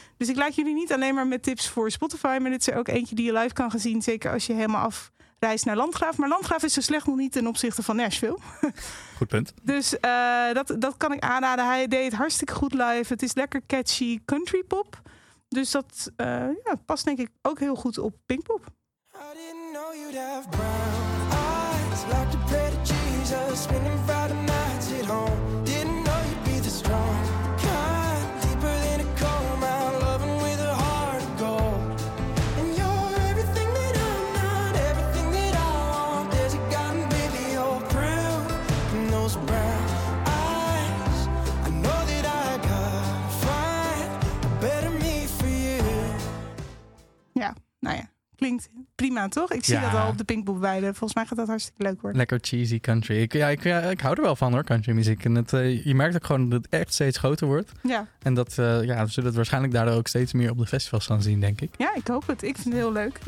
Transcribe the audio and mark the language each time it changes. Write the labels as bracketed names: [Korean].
[Dutch] Dus ik laat jullie niet alleen maar met tips voor Spotify, maar dit is er ook eentje die je live kan gaan zien. Zeker als je helemaal afreist naar Landgraaf. Maar Landgraaf is zo slecht nog niet ten opzichte van Nashville. Goed punt. Dus dat kan ik aanraden. Hij deed het hartstikke goed live. Het is lekker catchy country pop. Dus dat past denk ik ook heel goed op Pinkpop. [English] I didn't know you'd have brown eyes. Like to pray to Jesus, spending Friday nights at home. Didn't know you'd be this strong kind. Deeper than a coal mine, loving with a heart of gold. And you're everything that I'm not, everything that I want. There's a garden, baby, you're proof. In those brown eyes, I know that I could find a better me for you. [Dutch] Yeah, nou ja. Klinkt prima, toch? Ik zie dat al op de Pinkpop weiden. Volgens mij gaat dat hartstikke leuk worden. Lekker cheesy country. Ik hou er wel van, hoor, country muziek. En je merkt ook gewoon dat het echt steeds groter wordt. Ja. En dat we zullen het waarschijnlijk daardoor ook steeds meer op de festivals gaan zien, denk ik. Ja, ik hoop het. Ik vind het heel leuk.